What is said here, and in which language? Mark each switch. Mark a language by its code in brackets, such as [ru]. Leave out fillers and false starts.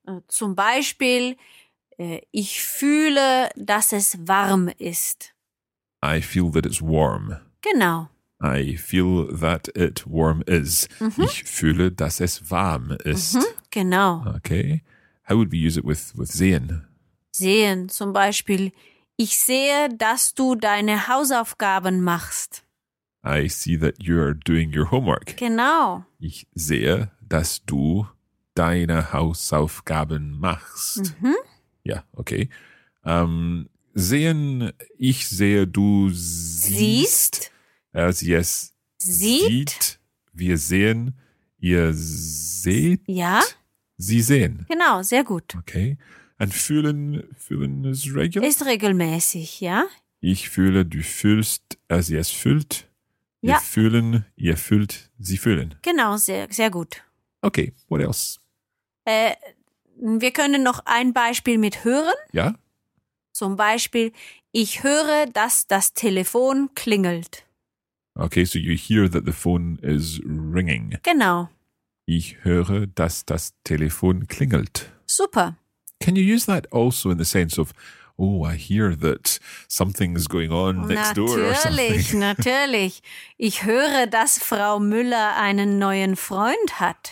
[de] zum Beispiel, ich fühle, dass es warm ist. [en] I feel that it's warm. [de] Genau. [en] I feel that it warm is. Mm-hmm. [de] Ich fühle, dass es warm ist. Mm-hmm. Genau. [en] Okay. How would we use it with sehen? [de] Sehen, zum Beispiel, ich sehe, dass du deine Hausaufgaben machst. [en] I see that you are doing your homework. [de] Genau. Ich sehe, dass du deine Hausaufgaben machst. Mm-hmm. [en] Yeah, okay. [de] Sehen, ich sehe, du siehst. Sieht. Wir sehen, ihr seht. Ja. Sie sehen. Genau, sehr gut. [en] Okay. And fühlen is regular? [de] Ist regelmäßig, ja. Ich fühle, du fühlst, es fühlt. Ja. Wir fühlen, ihr fühlt, sie fühlen. Genau, sehr, sehr gut. [en] Okay, what else? [de] Wir können noch ein Beispiel mit hören. Ja. Zum Beispiel, ich höre, dass das Telefon klingelt. [en] Okay, so you hear that the phone is ringing. [de] Genau. Ich höre, dass das Telefon klingelt. Super. [en] Can you use that also in the sense of, oh, I hear that something's going on next door or something? [de] Natürlich, natürlich. Ich höre, dass Frau Müller einen neuen Freund hat.